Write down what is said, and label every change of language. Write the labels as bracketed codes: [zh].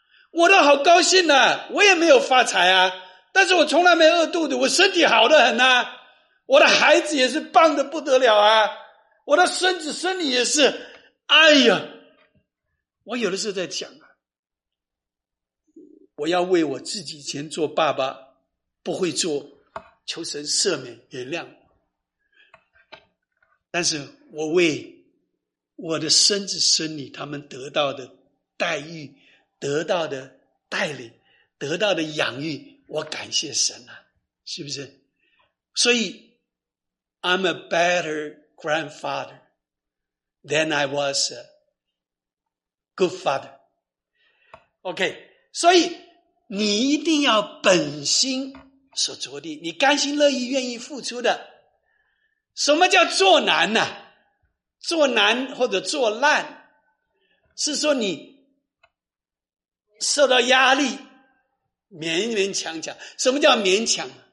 [zh] 我都好高兴啊，我也没有发财啊，但是我从来没饿肚子，我身体好得很啊，我的孩子也是棒得不得了啊，我的孙子孙女也是，哎呀，我有的时候在讲啊，我要为我自己以前做爸爸不会做求神赦免原谅，但是我为我的孙子孙女他们得到的待遇、得到的带领、得到的养育，我感谢神啊，是不是？ [en] 所以 I'm a better grandfather than I was a good father. [zh] OK, 所以你一定要本心所着地，你甘心乐意愿意付出的。什么叫做难呢、啊？做难或者做烂，是说你受到压力，勉勉强强。什么叫勉强？